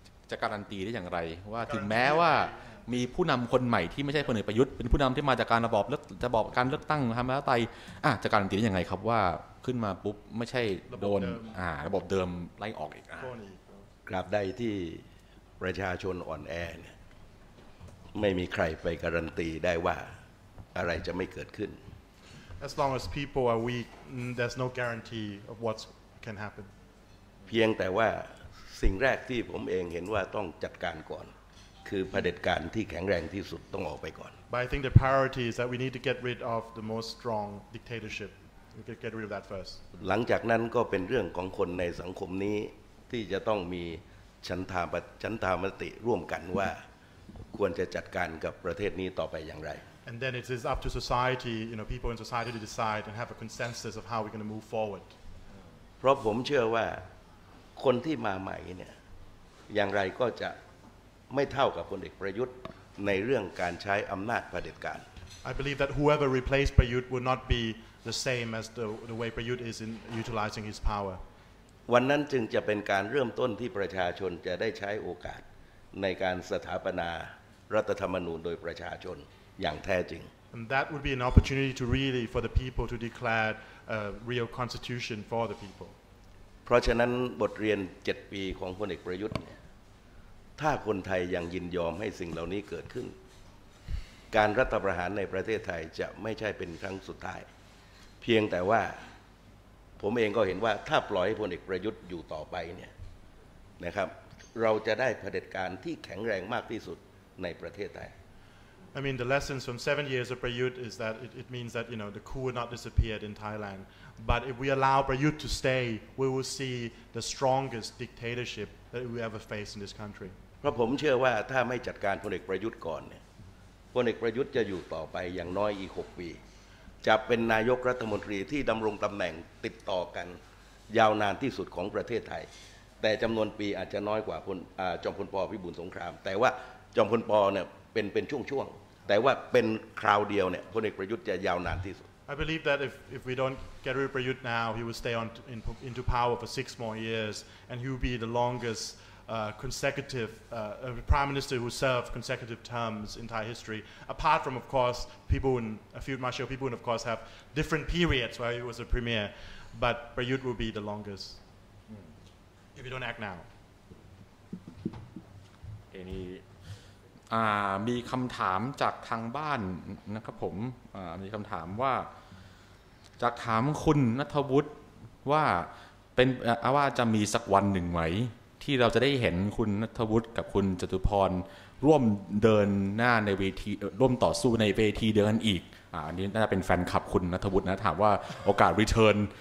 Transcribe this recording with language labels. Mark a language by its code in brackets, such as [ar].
[th] จะการันตีได้อย่างไรว่าถึงแม้ว่ามีผู้นำคนใหม่ที่ไม่ใช่พลเอกประยุทธ์เป็นผู้นำที่มาจากการระบอบการเลือกตั้งทำให้ไตจะการันตีได้อย่างไรครับว่าขึ้นมาปุ๊บไม่ใช่โดนระบบเดิมไล่ออกอีก กราบใดที่ประชาชนอ่อนแอเนี่ยไม่มีใครไปการันตีได้ว่าอะไรจะไม่เกิดขึ้น [en] As long as people are weak there's no guarantee of what can happen [th] เพียงแต่ว่าสิ่งแรกที่ผมเองเห็นว่าต้องจัดการก่อนคือเผด็จการที่แข็งแรงที่สุดต้องออกไปก่อน [en] But I think the priority is that we need to get rid of the most strong dictatorship we could get rid of that first [th] หลังจากนั้นก็เป็นเรื่องของคนในสังคมนี้ที่จะต้องมีฉันทามติร่วมกันว่าควรจะจัดการกับประเทศนี้ต่อไปอย่างไร [en] And then it is up to society, you know, people in society to decide and have a consensus of how we're going to move forward. [th] เพราะผมเชื่อว่าคนที่มาใหม่เนี่ยอย่างไรก็จะไม่เท่ากับพลเอกประยุทธ์ในเรื่องการใช้อำนาจเผด็จการ [en] I believe that whoever replaced Prayut would not be the same as the way Prayut is in utilizing his power. [th] วันนั้นจึงจะเป็นการเริ่มต้นที่ประชาชนจะได้ใช้โอกาสในการสถาปนารัฐธรรมนูญโดยประชาชนอย่างแท้จริง [en] And that would be an opportunity to really for the people to declare a real constitution for the people [th] เพราะฉะนั้นบทเรียน7ปีของพลเอกประยุทธ์เนี่ยถ้าคนไทยยังยินยอมให้สิ่งเหล่านี้เกิดขึ้น การรัฐประหารในประเทศไทยจะไม่ใช่เป็นครั้งสุดท้ายเพียงแต่ว่าผมเองก็เห็นว่าถ้าปล่อยให้พลเอกประยุทธ์อยู่ต่อไปเนี่ยนะครับเราจะได้เผด็จการที่แข็งแรงมากที่สุดในประเทศไทย [en] I mean the lessons from 7 years of Prayut is that it means that you know the coup would not disappear in Thailand but if we allow Prayut to stay we will see the strongest dictatorship that we ever face in this country [th] เพราะผมเชื่อว่าถ้าไม่จัดการพลเอกประยุทธ์ก่อนเนี่ยพลเอกประยุทธ์จะอยู่ต่อไปอย่างน้อยอีก6 ปีจะเป็นนายกรัฐมนตรีที่ดำรงตำแหน่งติดต่อกันยาวนานที่สุดของประเทศไทยแต่จำนวนปีอาจจะน้อยกว่าจอมพลป. พิบูลสงครามแต่ว่าจอมพลป. เนี่ยเป็นช่วงๆแต่ว่าเป็นคราวเดียวเนี่ยพลเอกประยุทธ์จะยาวนานที่สุด [en] I believe that if we don't get rid of Prayut now he will stay on into power for 6 more years and he will be the longestconsecutive prime minister who served consecutive terms in Thai history apart from of course Phibun a few Marshall Phibun of course have different periods where he was a premier but Prayut will be the longest if you don't act now [th] any มีคำถามจากทางบ้านนะครับผมมีคำถามว่าจากถามคุณณัฐวุฒิว่าเป็นว่าจะมีสักวันหนึ่งไหมที่เราจะได้เห็นคุณณัฐวุฒิกับคุณจตุพรร่วมเดินหน้าในเวทีร่วมต่อสู้ในเวทีเดียวกันอีกอันนี้น่าจะเป็นแฟนคลับคุณณัฐวุฒินะถามว่าโอกาสรีเทิร์น